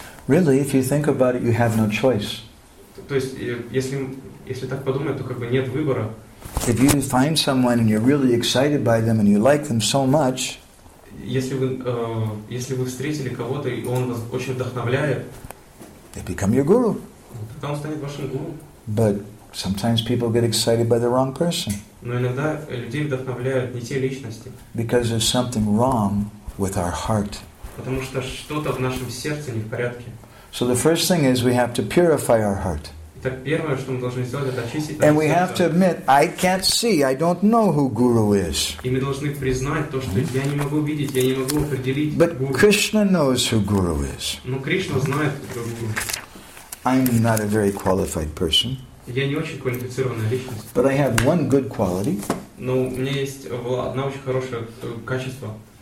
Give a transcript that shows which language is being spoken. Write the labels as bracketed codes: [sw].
[en] Really, if you think about it, you have no choice. [ru] То есть, если так подумать, то как бы нет выбора. [en] If you find someone and you're really excited by them and you like them so much, [ru] если вы встретили кого-то и он вас очень вдохновляет, [en] they become your guru. [ru] Тогда он станет вашим гуру. [en] But sometimes people get excited by the wrong person. [ru] Но иногда людей вдохновляют не те личности. [en] Because there's something wrong with our heart. [ru] Потому что что-то в нашем сердце не в порядке. [en] So the first thing is we have to purify our heart. [ru] Так первое, что мы должны сделать, это очистить наше сердце. [en] We have to admit, I can't see, I don't know who guru is. [ru] И мы должны признать то, что я не могу видеть, я не могу определить. [en] But Krishna knows who guru is. [ru] Но Кришна знает, кто гуру. [en] I'm not a very qualified person. [ru] Я не очень квалифицированная личность. [en] But I have one good quality. [ru] Но у меня есть одно очень хорошее качество.